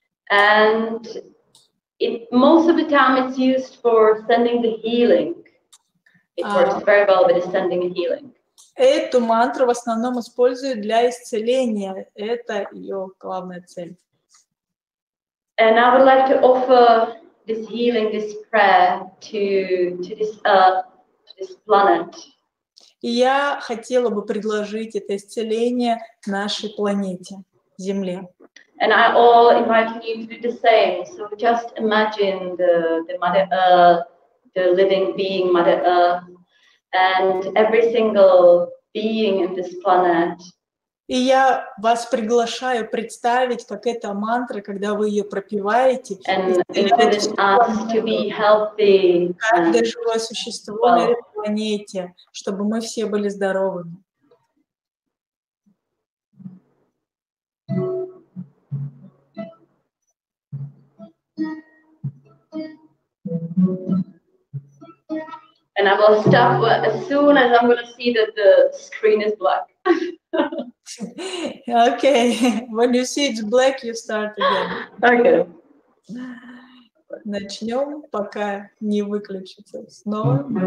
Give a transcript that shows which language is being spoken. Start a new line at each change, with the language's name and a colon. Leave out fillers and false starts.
English: And it most of the time it's used for sending the healing. It works very well with sending a healing.
Russian: Эту мантру в основном используют для исцеления. Это ее главная цель.
English: And I would like to offer this healing, this prayer to this earth, to this planet.
Russian: Я хотела бы предложить это исцеление нашей планете, Земле.
English: And I all invite you to do the same. So just imagine the Mother Earth, the living being Mother Earth, and every single being in this planet.
Russian: И я вас приглашаю представить, как эта мантра, когда вы ее пропеваете, каждое живое существо на этой планете, чтобы мы все были здоровыми.
English: And I will stop as soon as I'm going to see that the screen is black. Okay, when you see it's black, you start again. Okay.
Russian: Начнем, пока не выключится снова.